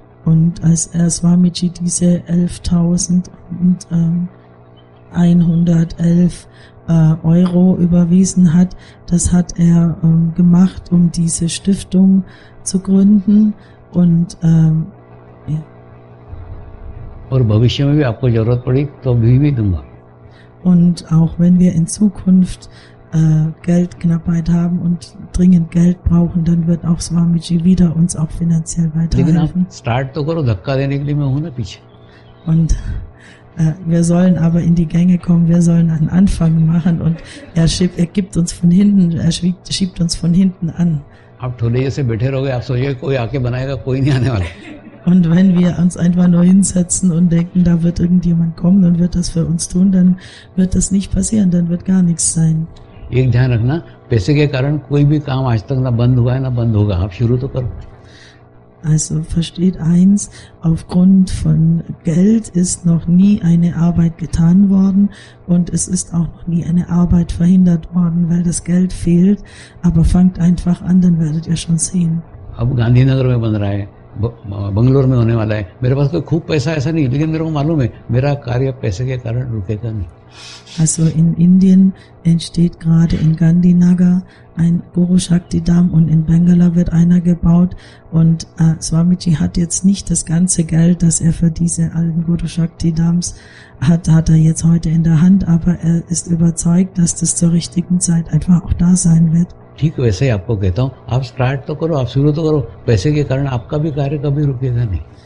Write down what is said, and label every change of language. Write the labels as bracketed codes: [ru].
[de] Und als Swamiji diese 11,111 Euro überwiesen hat, das hat er gemacht, um diese Stiftung zu gründen. Und [hi] और भविष्य में भी आपको जरूरत पड़ी तो भी दूंगा. [de] Und auch wenn wir in Zukunft Geldknappheit haben und dringend Geld brauchen, dann wird auch Swamiji wieder uns auch finanziell weiterhelfen. [hi] लेकिन आप स्टार्ट तो करो धक्का देने के लिए मैं हूँ ना पीछे. [de] Und wir sollen aber in die Gänge kommen, wir sollen einen Anfang machen und er schiebt uns von hinten an. [hi] आप थोड़े जैसे बैठे रहोगे आप सोचिए कोई आके बनाएगा कोई नहीं आने वाला. [de] Und wenn wir uns einfach nur hinsetzen und denken, da wird irgendjemand kommen und wird das für uns tun, dann wird das nicht passieren, dann wird gar nichts sein. [hi] एक ध्यान रखना, पैसे के कारण कोई भी काम आज तक ना बंद हुआ है ना बंद होगा, आप शुरू तो करो. [de] Also versteht eins, aufgrund von Geld ist noch nie eine Arbeit getan worden und es ist auch noch nie eine Arbeit verhindert worden, weil das Geld fehlt, aber fangt einfach an, dann werdet ihr schon sehen. [hi] अब गांधीनगर में बन रहा है, बंगलोर में होने वाला है, मेरे पास कोई खूब पैसा ऐसा नहीं, लेकिन मेरे को मालूम है मेरा कार्य पैसे के कारण रुकेगा नहीं. [de] Also in Indien entsteht gerade in Gandhinagar ein Guru Shakti Dham und in Bangalore wird einer gebaut und Swamiji hat jetzt nicht das ganze Geld, das er für diese alten Guru Shakti Dhams hat er jetzt heute in der Hand, aber er ist überzeugt, dass das zur richtigen Zeit einfach auch da sein wird. [hi] ठीक वैसे ही आपको कहता हूँ, आप start तो करो, आप शुरू तो करो, पैसे के कारण आपका भी कार्य कभी रुकेगा नहीं.